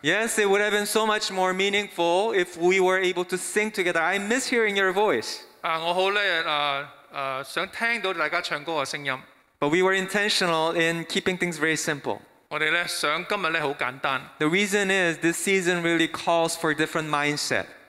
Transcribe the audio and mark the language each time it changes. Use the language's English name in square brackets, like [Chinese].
[English] Yes, it would have been so much more meaningful if we were able to sing together. I miss hearing your voice. [Chinese] 我想听到大家唱歌的声音。 [English] But we were intentional in keeping things very simple. The reason is this season really calls for a different mindset.